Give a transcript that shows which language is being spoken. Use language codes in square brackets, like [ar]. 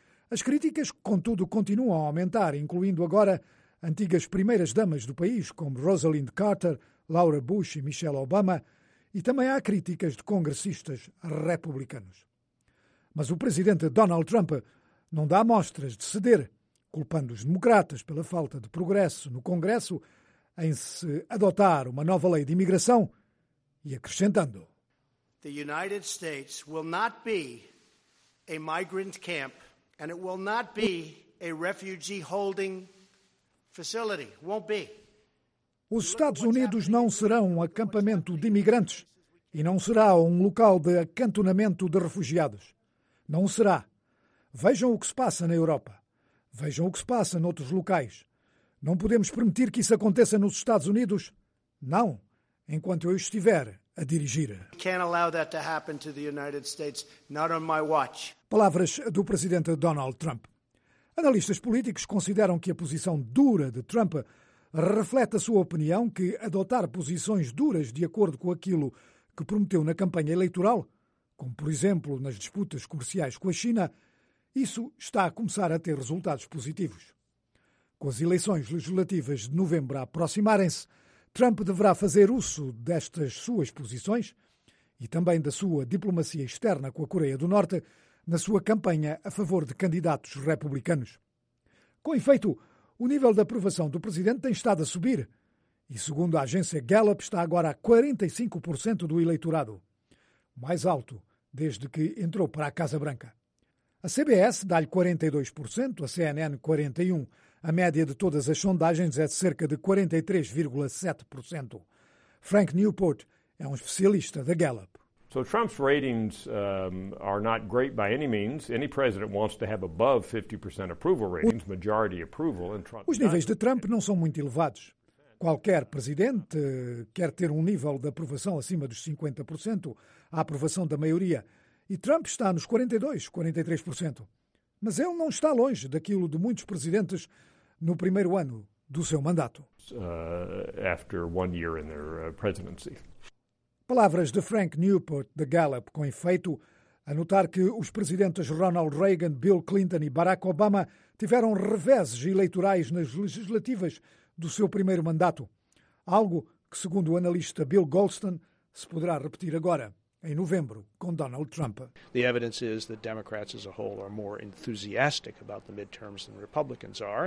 [pt] As críticas, contudo, continuam a aumentar, incluindo agora antigas primeiras damas do país, como Rosalind Carter, Laura Bush e Michelle Obama, e também há críticas de congressistas republicanos. Mas o presidente Donald Trump não dá mostras de ceder, culpando os democratas pela falta de progresso no Congresso em se adotar uma nova lei de imigração e acrescentando: [en] The United States will not be a migrant camp and it will not be a refugee holding facility. Won't be. [pt] Os Estados Unidos não serão um acampamento de imigrantes e não será um local de acantonamento de refugiados. Não será. Vejam o que se passa na Europa. Vejam o que se passa noutros locais. Não podemos permitir que isso aconteça nos Estados Unidos. Não, enquanto eu estiver a dirigir. [en] Can't allow that to happen to the United States, not on my watch. [pt] Palavras do presidente Donald Trump. Analistas políticos consideram que a posição dura de Trump reflete a sua opinião que adotar posições duras de acordo com aquilo que prometeu na campanha eleitoral, como por exemplo nas disputas comerciais com a China, isso está a começar a ter resultados positivos. Com as eleições legislativas de novembro a aproximarem-se, Trump deverá fazer uso destas suas posições e também da sua diplomacia externa com a Coreia do Norte na sua campanha a favor de candidatos republicanos. Com efeito, o nível de aprovação do presidente tem estado a subir e, segundo a agência Gallup, está agora a 45% do eleitorado, mais alto desde que entrou para a Casa Branca. A CBS dá-lhe 42%, a CNN 41%. A média de todas as sondagens é de cerca de 43,7%. Frank Newport é um especialista da Gallup. [en] So Trump's ratings are not great by any means. Any president wants to have above 50% approval ratings, majority approval. [pt] Os níveis de Trump não são muito elevados. Qualquer presidente quer ter um nível de aprovação acima dos 50%, a aprovação da maioria. E Trump está nos 42, 43%. Mas ele não está longe daquilo de muitos presidentes no primeiro ano do seu mandato. [en] After one year in their presidency. [pt] Palavras de Frank Newport, da Gallup, com efeito, a notar que os presidentes Ronald Reagan, Bill Clinton e Barack Obama tiveram reveses eleitorais nas legislativas do seu primeiro mandato. Algo que, segundo o analista Bill Goldstein, se poderá repetir agora, em novembro, com Donald Trump. [en] The evidence is that Democrats as a whole are more enthusiastic about the midterms than Republicans are.